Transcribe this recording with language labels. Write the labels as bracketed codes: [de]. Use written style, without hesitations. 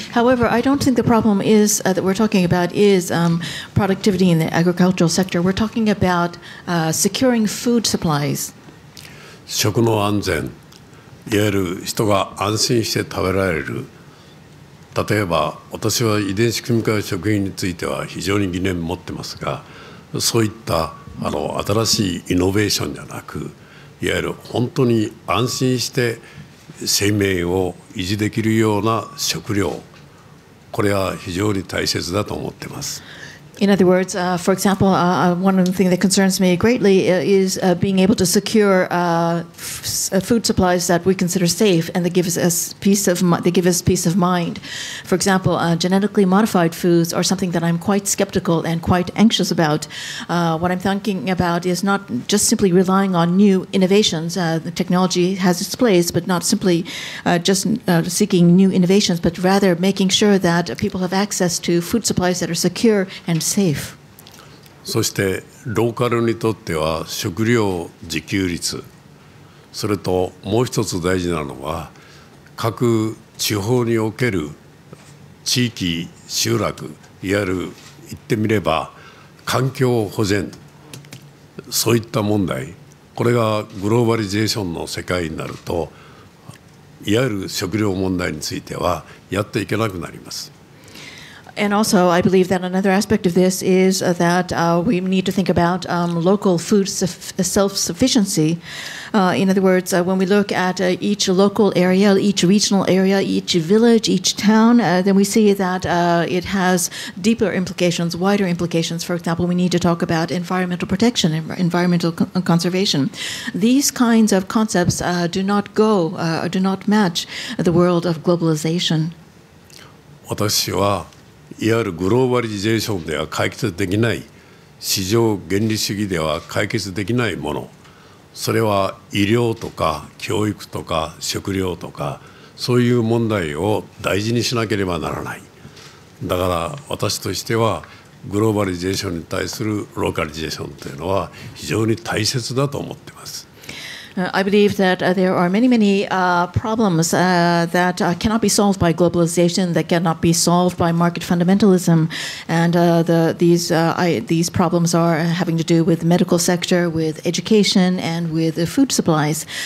[en] However, I don't think the problem is that we're talking about is productivity in the agricultural sector. We're talking about securing food supplies. [ja] 食の安全、いわゆる人が安心して食べられる。例えば私は遺伝子組み換え食品については非常に疑念を持ってますが、そういったあの新しいイノベーションじゃなく、いわゆる本当に安心して生命を維持できるような食料、これは非常に大切だと思ってます。 [en] In other words, for example, one of the things that concerns me greatly is being able to secure food supplies that we consider safe and that give us peace of mind. For example, genetically modified foods are something that I'm quite skeptical and quite anxious about. What I'm thinking about is not just simply relying on new innovations. The technology has its place, but not simply seeking new innovations, but rather making sure that people have access to food supplies that are secure and safe. [ja] そしてローカルにとっては食料自給率、それともう一つ大事なのは各地方における地域集落、いわゆる言ってみれば環境保全、そういった問題、これがグローバリゼーションの世界になるといわゆる食料問題についてはやっていけなくなります。 [en] And also, I believe that another aspect of this is that we need to think about local food self-sufficiency. In other words, when we look at each local area, each regional area, each village, each town, then we see that it has deeper implications, wider implications. For example, we need to talk about environmental protection, environmental conservation. These kinds of concepts do not match the world of globalization. [ja] 私はいわゆるグローバリゼーションでは解決できない、市場原理主義では解決できないもの、それは医療とか教育とか食料とか、そういう問題を大事にしなければならない。だから私としてはグローバリゼーションに対するローカリゼーションというのは非常に大切だと思っています。 [en] I believe that there are many, many problems that cannot be solved by globalization, that cannot be solved by market fundamentalism. And these problems are having to do with the medical sector, with education, and with food supplies.